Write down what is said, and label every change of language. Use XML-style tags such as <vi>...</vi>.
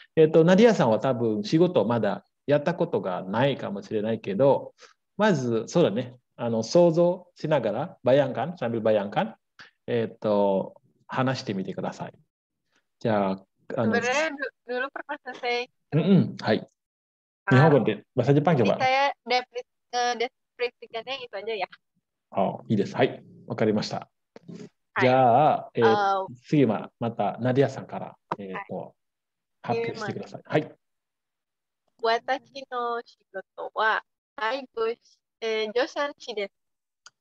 <ja>ナディアさんは多分仕事まだやったことがないかもしれないけど、まずそうだね、想像しながら</ja> <id>バヤンカン、サンビルバヤンカン、</id> <ja>話してみてください。じゃあループマスセイ、うん、はい、日本語で、</ja> <id>bahasa Jepang coba. Saya deskripsikannya itu aja ya.</id> <ja>Oh, いいです。はい、わかりました。はい、じゃあ、次はまたナディアさんから、発表してください。はい。私の仕事は介護士、助産師です。</ja>